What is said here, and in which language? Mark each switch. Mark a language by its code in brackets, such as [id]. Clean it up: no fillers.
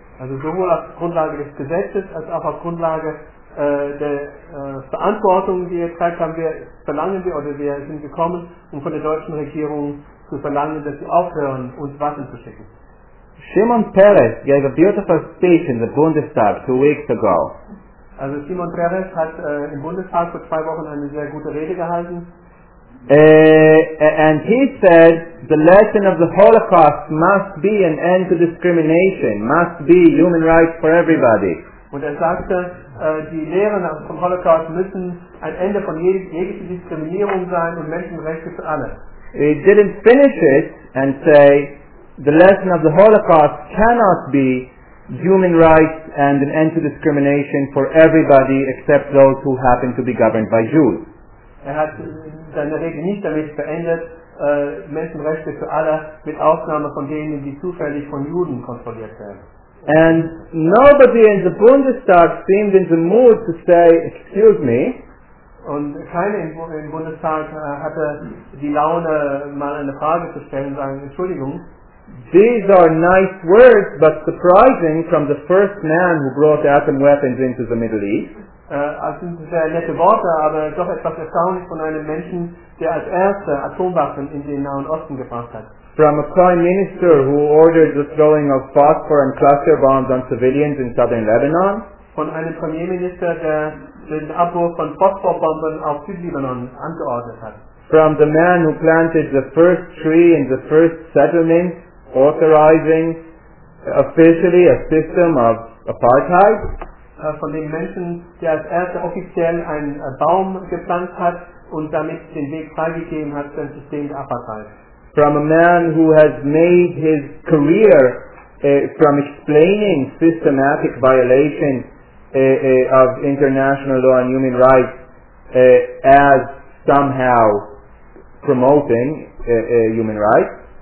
[de] Also sowohl auf Grundlage des Gesetzes als auch auf Grundlage der Verantwortung, die jetzt gezeigt haben, wir sind gekommen, um von der deutschen Regierung zu verlangen, dass sie aufhören, uns Waffen zu schicken. [en] Shimon Peres gave a beautiful speech in the Bundestag 2 weeks ago. [de] Also Shimon Peres hat im Bundestag vor 2 Wochen eine sehr gute Rede gehalten. [en] And he said the lesson of the Holocaust must be an end to discrimination, must be human rights for everybody. [de] Und er sagte, die Lehren vom Holocaust müssen ein Ende von jeglicher Diskriminierung sein und Menschenrechte für alle. [en] He didn't finish it and say the lesson of the Holocaust cannot be human rights and an end to discrimination for everybody except those who happen to be governed by Jews. [de] Er hat seine Rede nicht damit beendet, Menschenrechte für alle, mit Ausnahme von denen, die zufällig von Juden kontrolliert werden. [en] And nobody in the Bundestag seemed in the mood to say, excuse me. [de] Und keiner im Bundestag hatte die Laune, mal eine Frage zu stellen, sagen, Entschuldigung. [en] These are nice words, but surprising from the first man who brought atom weapons into the Middle East. [de] Das sind sehr nette Worte, aber doch etwas erstaunlich von einem Menschen, der als erster Atomwaffen in den Nahen Osten gebracht hat. [en] From a prime minister who ordered the throwing of phosphor and cluster bombs on civilians in southern Lebanon. [de] Von einem Premierminister, der den Abwurf von Phosphorbomben auf Südlibanon angeordnet hat. [en] From the man who planted the first tree in the first settlement, authorizing officially a system of apartheid. [de] Von dem Menschen, der als erster offiziell einen Baum gepflanzt hat und damit den Weg freigegeben hat für ein System der Apartheid. [en] From a man who has made his career from explaining systematic violations of international law and human rights as somehow promoting human rights.